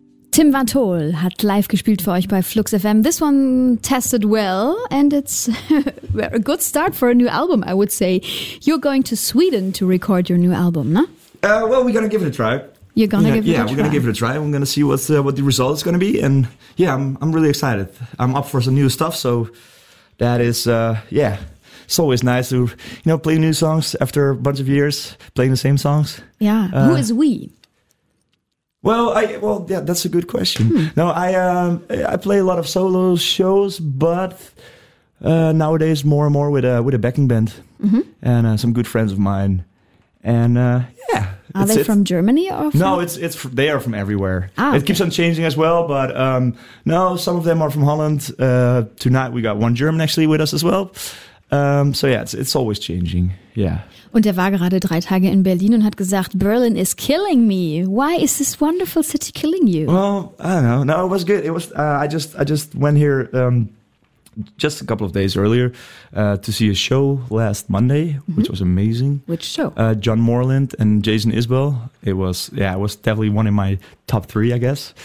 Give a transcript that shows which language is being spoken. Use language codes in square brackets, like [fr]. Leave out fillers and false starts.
[de] Tim Van Tol hat live gespielt für euch bei Flux FM. [en] This one tested well and it's a good start for a new album, I would say. You're going to Sweden to record your new album, ne? Well, we're going to give it a try. You're going to give it a try? Yeah, we're going to give it a try. I'm going to see what the result is going to be. And yeah, I'm really excited. I'm up for some new stuff. So that is, yeah, it's always nice to, you know, play new songs after a bunch of years playing the same songs. Yeah. Who is we? Well, that's a good question. No, I play a lot of solo shows, but nowadays more and more with a backing band and some good friends of mine. And yeah, From Germany or from? No? It's they are from everywhere. It keeps on changing as well, but no, some of them are from Holland. Tonight we got one German actually with us as well. So yeah, it's always changing. Yeah. [de] Und er war gerade 3 Tage in Berlin und hat gesagt, [en] Berlin is killing me. Why is this wonderful city killing you? Well, I don't know. No, it was good. It was. I just went here just a couple of days earlier to see a show last Monday, which was amazing. Which show? John Moreland and Jason Isbell. It was definitely one in my top three, I guess.